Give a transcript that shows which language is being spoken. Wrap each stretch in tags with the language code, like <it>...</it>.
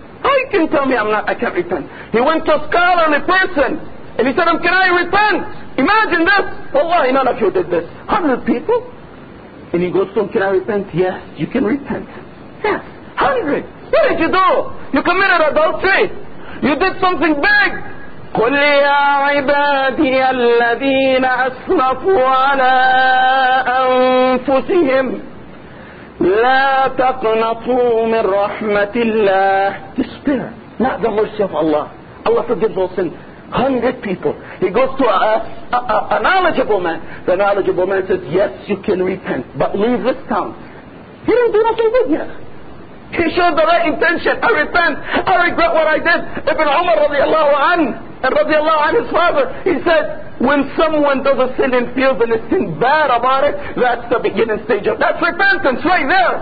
<en>How you can tell me I can't repent? He went to a scholarly person and he said, can I repent? Imagine this. Wallahi, none of you did this. 100 people? And he goes to him, can I repent? Yes, you can repent. Yes. 100. What did you do? You committed adultery. You did something big.</en> <ar>قل يا عبادي الذين أسرفوا على أنفسهم لا تقنطوا من رحمة الله</ar> <en>Despair, not the mercy of Allah. Allah forgives all sin. 100 people. He goes to a knowledgeable man. The knowledgeable man says, yes, you can repent, but leave this town. He didn't do nothing good yet. He showed the right intention. I repent. I regret what I did. Ibn Umar radiallahu anhu and radiallahu anhu his father, he said, when someone does a sin and feels a sin bad about it, that's the beginning stage of that's repentance right there.</en>